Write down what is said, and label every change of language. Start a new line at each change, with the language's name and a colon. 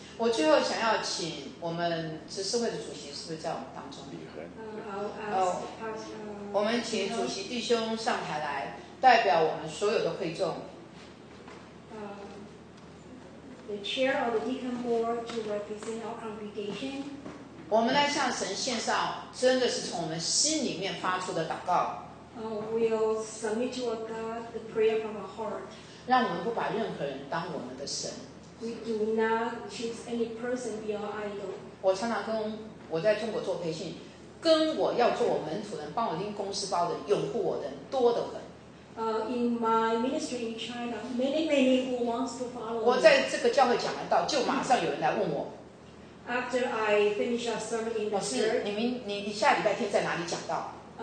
Chinese: 我最后想要请我们执事会的主席，是不是在我们当中？好，我们请主席弟兄上台来，代表我们所有的会众。
English: The chair of the deacon board to represent our congregation.
Chinese: 我们来向神献上，真的是从我们心里面发出的祷告。
English: We'll submit to our God the prayer from our heart.
Chinese: 让我们不把任何人当我们的神。
English: We do not choose any person be our idol.
Chinese: 我常常跟我在中国做培训，跟我要做我门徒人，帮我拎公司包的，拥护我的人多得很。
English: In my ministry in China, many who wants to follow me.
Chinese: 我在这个教会讲完道，就马上有人来问我。
English: After I finish our sermon in the church,
Chinese: 你下礼拜天在哪里讲道？